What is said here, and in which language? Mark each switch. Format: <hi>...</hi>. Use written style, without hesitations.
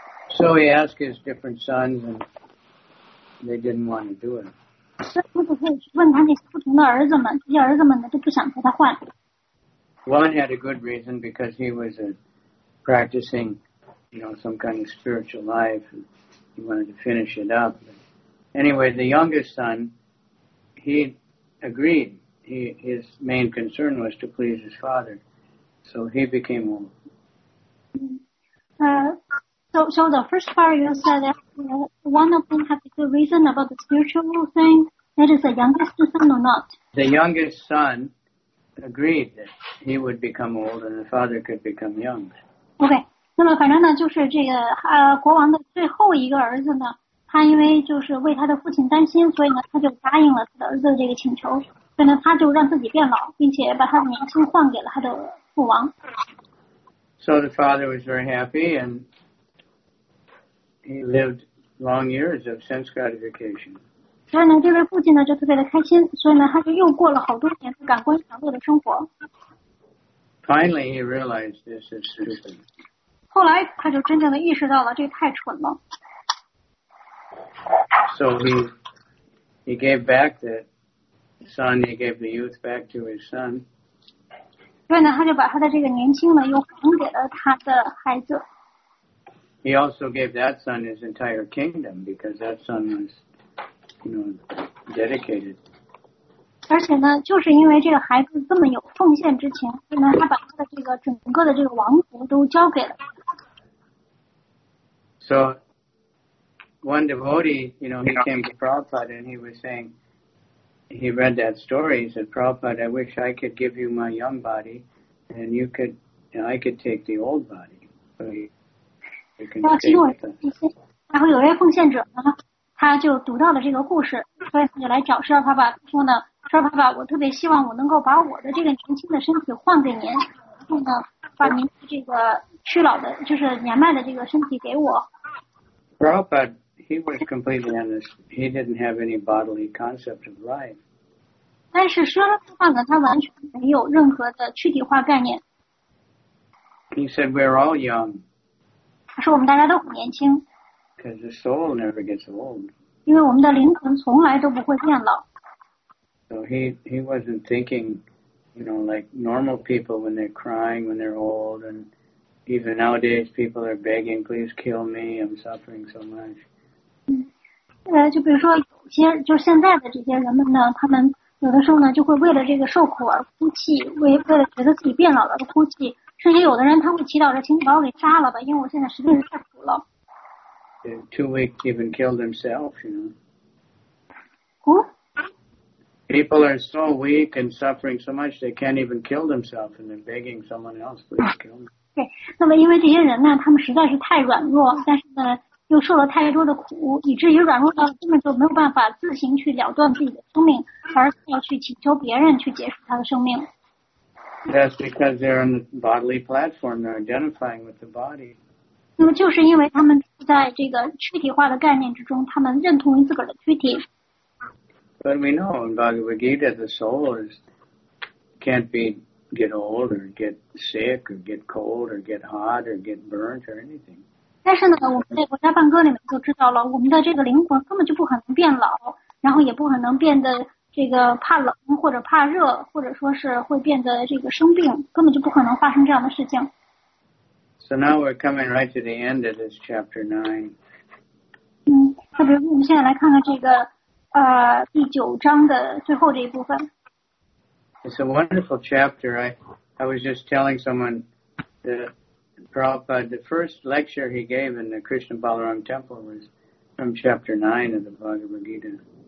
<en>So he asked his different sons and. They didn't want to do it.</en> <zh>所以可以去问他那些不同的儿子们，这些儿子们呢就不想和他换。</zh> <en>One had a good reason because he was practicing, you know, some kind of spiritual life. And he wanted to finish it up. But anyway, the youngest son, he agreed. His main concern was to please his father, so he became old. So the first part you said that one of them had a good reason about the spiritual thing, that is the youngest son or not? The youngest son agreed that he would become old and the father could become young.</en> <zh>Okay, 那么反正呢就是这个国王的最后一个儿子呢，他因为就是为他的父亲担心，所以呢他就答应了他的儿子的这个请求，所以呢他就让自己变老，并且把他的年轻换给了他的父王。</zh> <en>So the father was very happy andHe lived long years of sense gratification.</en> <zh>所以呢，这位父亲呢就特别的开心，所以呢，他就又过了好多年的感官享乐的生活。</zh> <en>Finally, he realized this is stupid.</en> <zh>后来，他就真正的意识到了这个太蠢了。</zh> <en>So he gave back the son. He gave the youth back to his son.</en> <zh>所以呢，他就把他的这个年轻呢又还给了他的孩子。</zh> <en>He also gave that son his entire kingdom because that son was, you know, dedicated.</en> <zh>而且呢，就是因为这个孩子这么有奉献之情，所以呢，他把他的这个整个的这个王国都交给了。</zh> <en>So, one devotee, you know, he came to Prabhupada and he was saying, he read that story. He said, Prabhupada, I wish I could give you my young body, and you could, you know, I could take the old body. So he.</en> <zh>然后其中有一些，然后有一位奉献者呢，他就读到了这个故事，所以他就来找释迦牟尼佛爸爸说呢，说爸爸，我特别希望我能够把我的这个年轻的身体换给您，然后呢，把您这个去老的，就是年迈的这个身体给我。</zh> <en>Prabhupada, he was completely honest. He didn't have any bodily concept of life.</en> <zh>但是释迦牟尼佛呢，他完全没有任何的躯体化概念。</zh> <en>He said, "We're all young."</en> <zh>他说我们大家都很年轻。</zh> <en>Because the soul never gets old.</en> <zh>因为我们的灵魂从来都不会变老。</zh> <en>So he wasn't thinking, you know, like normal people when they're crying when they're old, and even nowadays people are begging, please kill me, I'm suffering so much.</en> <zh>就比如说有些就现在的这些人们呢，他们有的时候呢就会为了这个受苦而哭泣，为了觉得自己变老了而哭泣，甚至有的人他会祈祷着，请你把我给杀了吧，因为我现在实在是太苦了。</zh> <en>Too weak to even kill themselves, you know. Who? People are so weak and suffering so much they can't even kill themselves and they're begging someone else please kill them.</en> <zh>对，那么因为这些人呢，他们实在是太软弱，但是呢又受了太多的苦，以至于软弱到根本就没有办法自行去了断自己的生命，而要去请求别人去结束他的生命。</zh> <en>That's because they're on the bodily platform, they're identifying with the body.</en> <zh>那么就是因为他们在这个躯体化的概念之中，他们认同于自个儿的躯体。</zh> <en>But we know in Bhagavad Gita the soul is, can't be, get old or get sick or get cold or get hot or get burnt or anything.</en> <zh>但是呢，我们在国家梵歌里面就知道了，我们的这个灵魂根本就不可能变老，然后也不可能变得这个怕冷或者怕热，或者说是会变得这个生病，根本就不可能发生这样的事情。</zh> <en>So now we're coming right to the end of this chapter 9.</en> <zh>那比如我们现在来看看这个第九章的最后这一部分。</zh> <en>It's a wonderful chapter. I was just telling someone that Prabhupada, the first lecture he gave in the Krishna Balaram Temple was from chapter 9 of the Bhagavad Gita.</en>